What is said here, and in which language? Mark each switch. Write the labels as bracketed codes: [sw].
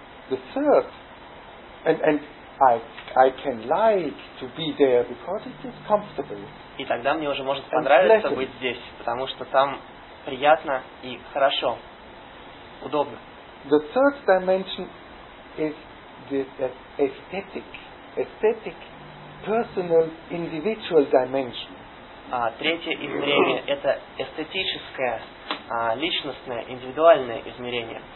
[en] The third, and I can like to be there because it is comfortable. [ru] И тогда мне уже может понравиться быть здесь, потому что там приятно и хорошо, удобно. [en] The third dimension is this aesthetic, personal, individual dimension. [ru] Третье измерение – это эстетическое, личностное, индивидуальное измерение.